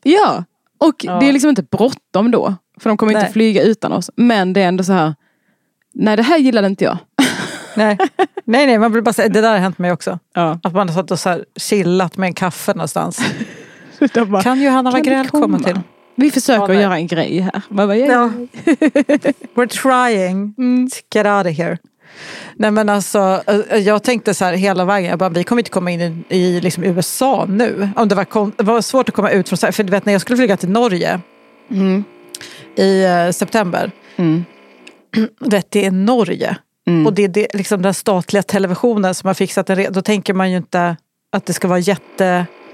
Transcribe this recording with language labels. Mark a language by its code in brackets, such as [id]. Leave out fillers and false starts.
[sv] Ja, och det är liksom inte bråttom då. För de kommer inte flyga utan oss. Men det är ändå så här, nej, det här gillade inte jag. Nej, man blir bara så här, det där har hänt mig också. Ja. Att man har satt och så här chillat med en kaffe någonstans. Så bara, kan Johanna Wagrell komma till? Vi försöker göra en grej här. Man bara, [en] yeah. No. We're trying to get out of here. [sv] Nej, men alltså, jag tänkte så här hela vägen. Jag bara, vi kommer inte komma in i liksom USA nu. Om det var svårt att komma ut från så här. För du vet, när jag skulle flyga till Norge i september. Mm. Vet, det är Norge. Mm. Och det är liksom den statliga televisionen som har fixat det. Då tänker man ju inte att det ska vara jätte...